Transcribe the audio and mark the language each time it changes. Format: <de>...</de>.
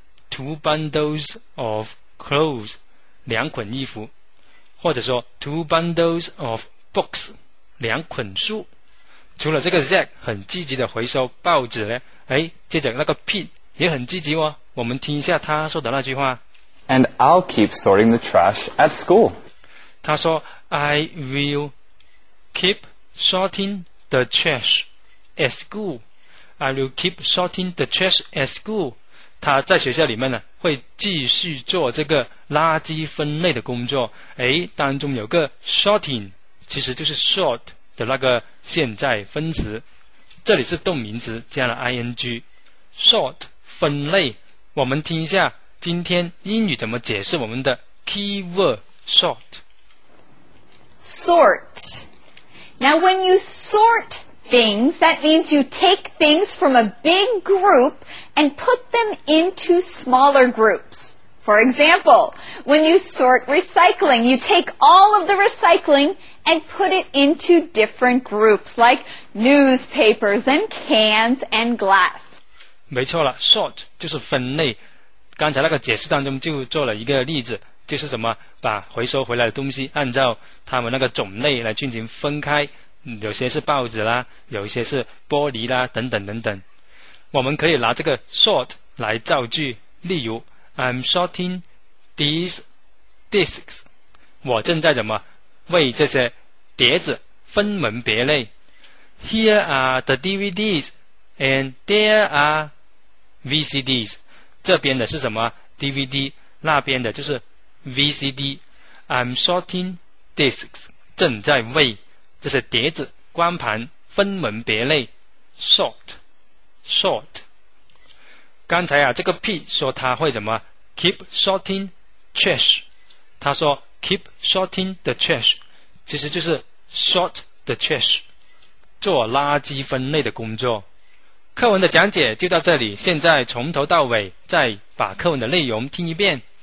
<en>two bundles of clothes</en> <zh>两捆衣服或者说</zh> <en>two bundles of books</en> <zh>两捆书除了这个 Zack 很积极的回收报纸呢哎，接着那个 Pete 也很积极哦我们听一下他说的那句话</zh> <en>And I'll keep sorting the trash at school</en> <zh>他说</zh> <en>I will keep sorting the trash at school</en> <zh>I will keep sorting the trash at school 他在学校里面呢会继续做这个垃圾分类的工作哎，当中有个 sorting 其实就是 sort的那个现在分词这里是动名词加了 ing sort 分类我们听一下今天英语怎么解释我们的 keyword sort</zh> <en>sort now when you sort things that means you take things from a big group and put them into smaller groupsFor example, when you sort recycling, you take all of the recycling and put it into different groups, like newspapers and cans and glass.</en> <zh>没错了 ,sort 就是分类。刚才那个解释当中就做了一个例子，就是什么，把回收回来的东西按照它们那个种类来进行分开，有些是报纸啦，有些是玻璃啦，等等等等。我们可以拿这个 sort 来造句，例如</zh> <en>I'm sorting these discs.</en> <zh>我正在怎么为这些碟子分门别类。</zh> <en>Here are the DVDs and there are VCDs.</en> <zh>这边的是什么 DVD, 那边的就是 VCD.</zh> <en>I'm sorting discs.</en> <zh>正在为这些碟子光盘分门别类。</zh> <en>Sort. Sort.</en> <zh>刚才啊这个 P 说他会怎么</zh> <en>Keep sorting trash</en> <zh>他说</zh> <en>Keep sorting the trash</en> <zh>其实就是</zh> <en>sort the trash</en> <zh>做垃圾分类的工作课文的讲解就到这里现在从头到尾再把课文的内容听一遍</zh>